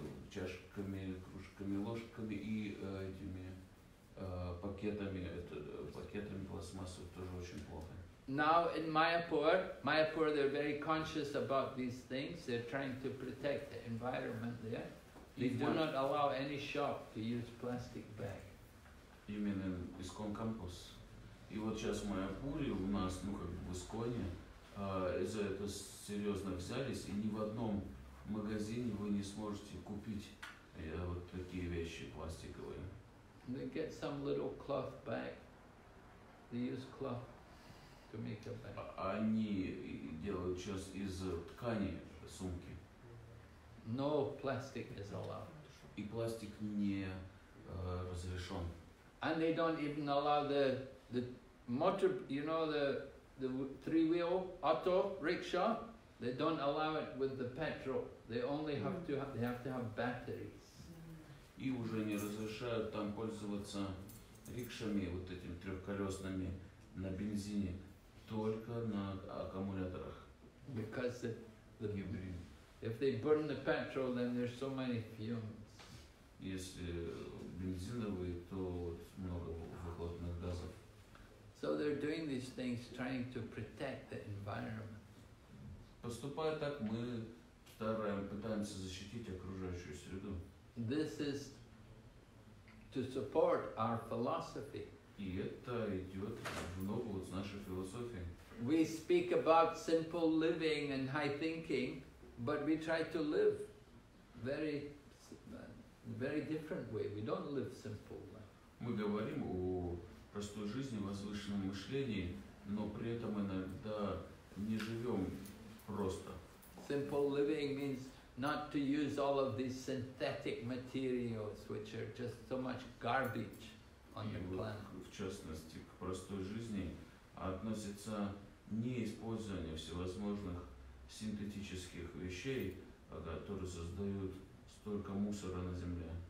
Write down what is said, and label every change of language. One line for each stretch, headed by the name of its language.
Russian: Чашками, кружками, ложками и этими пакетами, это пакетами пластмассовыми тоже очень плохо.
English: Now in Mayapur, they're very conscious about these things. They're trying to protect the environment there. They do not allow any shop to use plastic bag.
Russian: Именно ИСКОН Кампус. И вот сейчас в Майяпуре у нас, ну как в ИСКОНе, за это серьезно взялись, и ни в одном магазине вы не сможете купить вот такие вещи пластиковые.
English: They get some little cloth bag. They use cloth to make a bag.
Russian: Они делают сейчас из ткани сумки.
English: No plastic is allowed.
Russian: И пластик не разрешен.
English: And they don't even allow the motor, you know, the three-wheel auto rickshaw. They don't allow it with the petrol. They only have to have, they have to have batteries.
Russian: И уже не разрешают там пользоваться рикшами, вот этими трехколесными на бензине, только на аккумуляторах.
English: Because the hybrid. If they burn the petrol, then there's so many fumes.
Russian: Если бензиновый, то много выхлопных газов.
English: So they're doing these things, trying to protect the environment.
Russian: Поступая так, мы стараемся, пытаемся защитить окружающую среду.
English: This is to support our philosophy.
Russian: И это идет в ногу с нашей философией.
English: We speak about simple living and high thinking, but we try to live very, very different way. We don't live simple.
Russian: Мы говорим о простой жизни, возвышенном мышлении, но при этом иногда не живем просто.
English: Simple living means not to use all of these synthetic materials, which are just so much garbage on the planet.
Russian: В частности, к простой жизни относится не использование всевозможных синтетических вещей, которые создают столько мусора на Земле.